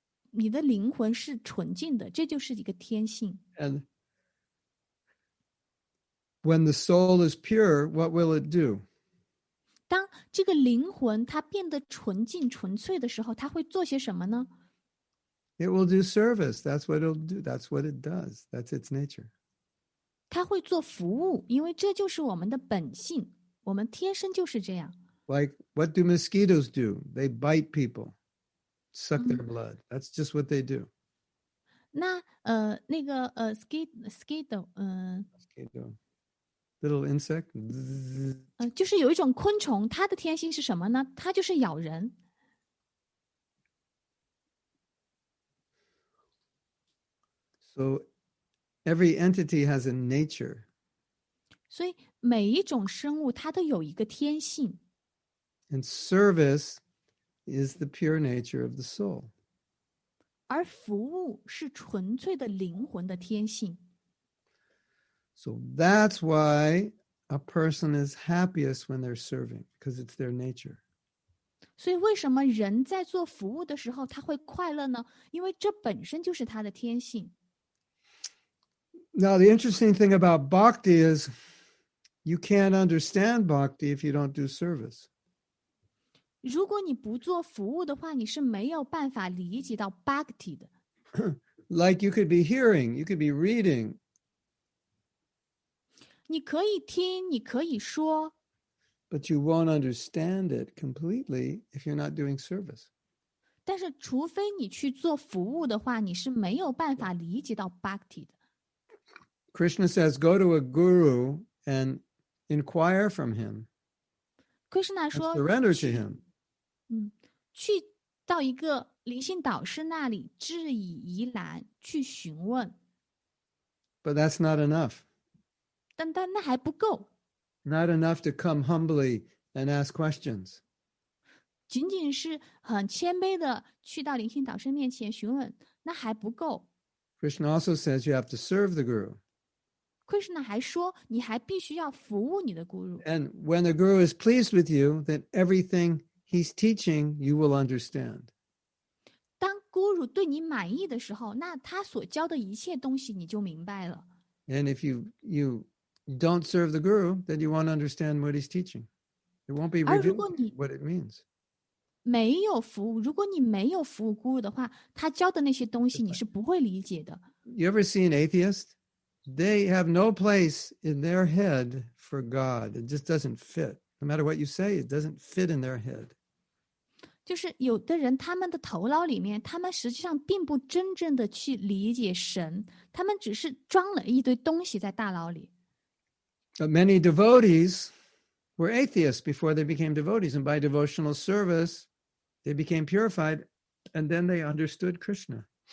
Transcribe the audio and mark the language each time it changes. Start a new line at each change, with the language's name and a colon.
Chinese: 你的灵魂是纯净的，这就是一个天性。
English: And when the soul is pure, what will it do?
Chinese: 当这个灵魂它变得纯净、纯粹的时候，它会做些什么呢？
English: It will do service. That's what it'll do. That's what it does. That's its nature.
Chinese: 它会做服务，因为这就是我们的本性。我们天生就是这样。
English: Like, what do mosquitoes do? They bite people, suck their blood. That's just what they do.
Chinese: 那那个mosquito,
English: mosquito, little insect.
Chinese: 就是有一种昆虫，它的天性是什么呢？它就是咬人。
English: So, every entity has a nature.
Chinese: 所以每一种生物它都有一个天性。
English: And service is the pure nature of the soul.
Chinese: 而服务是纯粹的灵魂的天性。
English: So that's why a person is happiest when they're serving, because it's their nature.
Chinese: 所以为什么人在做服务的时候他会快乐呢？因为这本身就是他的天性。
English: Now the interesting thing about bhakti is,You can't understand bhakti if you don't do service.
Chinese: 如果你不做服务的话，你是没有办法理解到 bhakti 的。
English: Like you could be hearing, you could be reading.
Chinese: 你可以听，你可以说。
English: But you won't understand it completely if you're not doing service.
Chinese: 但是除非你去做服务的话，你是没有办法理解到 bhakti 的。
English: Krishna says, go to a guru and inquire from him.
Chinese: Krishna 说
English: surrender to him.
Chinese: 去到一个灵性导师那里质疑疑难去询问。
English: But that's not enough.
Chinese: 但那还不够。
English: Not enough to come humbly and ask questions.
Chinese: 仅仅是很谦卑的去到灵性导师面前询问那还不够。
English: Krishna also says you have to serve the guru.
Chinese: Krishna 还说你还必须要服务你的 guru.
English: And when the guru is pleased with you, then everything he's teaching, you will understand.
Chinese: 当 guru 对你满意的时候那他所教的一切东西你就明白了。
English: And if you don't serve the guru, then you won't understand what he's teaching. It won't be revealed what it means.
Chinese: 没有服务，如果你没有服务 guru 的话，他教的那些东西你是不会理解的。
English: You ever see an atheist? They have no place in their head for God. It just doesn't fit. No matter what you say, it doesn't fit in their head.
Chinese: 就是有的人他们的头脑里面，他们实际上并不真正的去理解神，他们只是装了一堆东西在大脑里。
English: But many devotees. Were atheists before they became devotees, and by devotional service, they became purified, and then they understood Krishna.